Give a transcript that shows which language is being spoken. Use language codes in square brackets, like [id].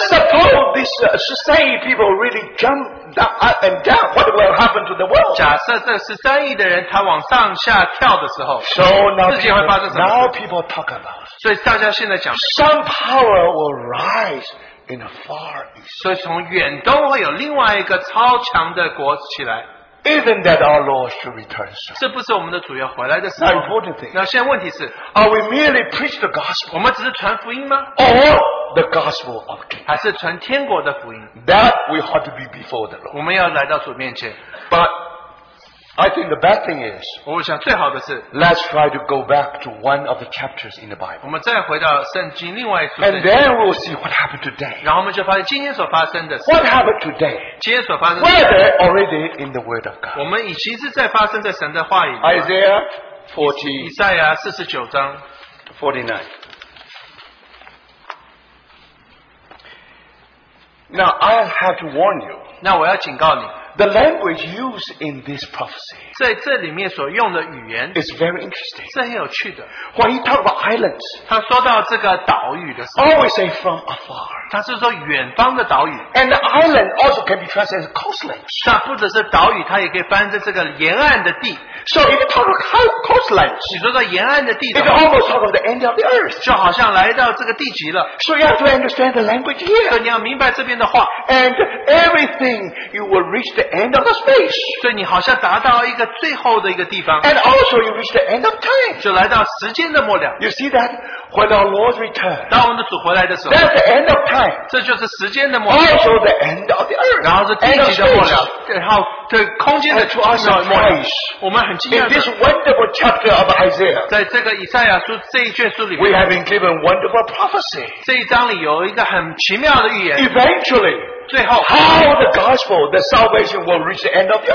[en] suppose these society people really jump up and down, what will happen to the world? [zh] 假设这13亿的人他往上下跳的时候, [en] so now, [zh] 自己会发生什么事? [en] Now people talk about. [zh] 所以大家现在讲, [en] some power will rise in a far east. [zh] 所以从远东会有另外一个超强的国起来。 [en] Isn't that our Lord should return soon? [zh] 这不是我们的主要回来的时候? [en] Now, important thing. [zh] 那现在问题是, [en] are we merely preach the gospel? [zh] 我们只是传福音吗? [en] Or the gospel of kingdom? [zh] 还是传天国的福音? [en] That we have to be before the Lord. [zh] 我们要来到主面前。 [en] But I think the bad thing is, [zh] 我想最好的是, [en] let's try to go back to one of the chapters in the Bible. [zh] 我们再回到圣经另外一处, [en] and then we'll see what happened today. [zh] 然后我们就发现今天所发生的事, [en] what happened today? [zh] 今天所发生的事, [en] were they already in the Word of God? [zh] 我们已经是在发生在神的话语吗? [en] Isaiah 40, [zh] 以赛亚 49章, [en] 49. Now I have to warn you. [zh] 那我要警告你, [en] the language used in this prophecy [zh] 在这里面所用的语言, [en] is very interesting. [zh] 是很有趣的, [en] when he talked about islands, [zh] 他说到这个岛屿的时候, [en] always say from afar. [zh] 他是说远方的岛屿, [en] and the island also can be translated as coastland. [zh] 但不只是岛屿, 它也可以翻成这个沿岸的地, [en] so if you talk about coastland, [zh] 你说到沿岸的地, [en] it almost talks about the end of the earth. [zh] 就好像来到这个地极了, [en] so you have to understand the language here. [zh] 所以你要明白这边的话, [en] and everything you will reach the end of the space. [zh] 所以你好像达到一个最后的一个地方, [en] and also you reach the end of time. [zh] 就来到时间的末了, [en] you see that? When our Lord returns, [zh] 当我们的主回来的时候, [en] that's the end of time. [zh] 这就是时间的末了, [en] also the end of the earth. [zh] 然后是地极的末了, [en] and space. [zh] 然后, 对空间的末了。我们很惊讶, [en] in this wonderful chapter of Isaiah, [zh] 在这个以赛亚书这一卷书里面, [en] we have been given wonderful prophecy. [zh] 这一章里有一个很奇妙的预言, [en] eventually, [zh] 最后, [en] how the gospel, the salvation will reach the end of the earth.